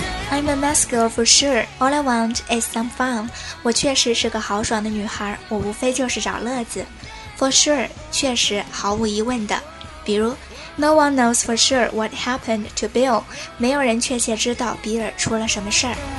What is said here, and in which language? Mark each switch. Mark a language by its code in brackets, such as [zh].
[en] I'm a mess girl for sure. All I want is some fun. [zh] 我确实是个豪爽的女孩，我无非就是找乐子。 For sure, 确实，毫无疑问的。 [en] 比如 No one knows for sure what happened to Bill. [zh] 没有人确切知道比尔出了什么事儿。